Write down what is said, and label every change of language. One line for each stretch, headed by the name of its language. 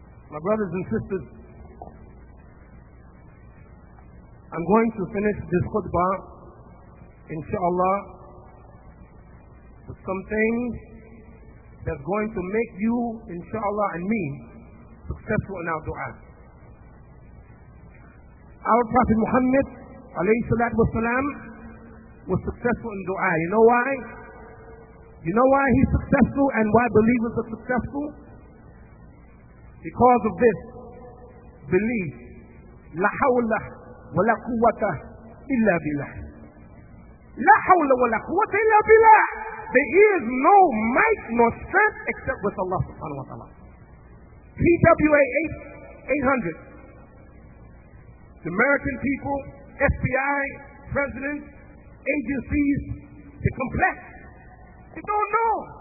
English: My brothers and sisters, I'm going to finish this khutbah, inshallah, with some things that's going to make you, inshallah, and me, successful in our dua. Our Prophet Muhammad, alayhi salatu wasalam, was successful in dua. You know why? You know why he's successful and why believers are successful? Because of this belief.
Arabic: La hawla ولا قوة إلا بالله. لا حول ولا قوة إلا بالله.
English: There is no might nor strength except with Allah subhanahu wa ta'ala. PWA 800. The American people, FBI, presidents, agencies, they're complex. They don't know.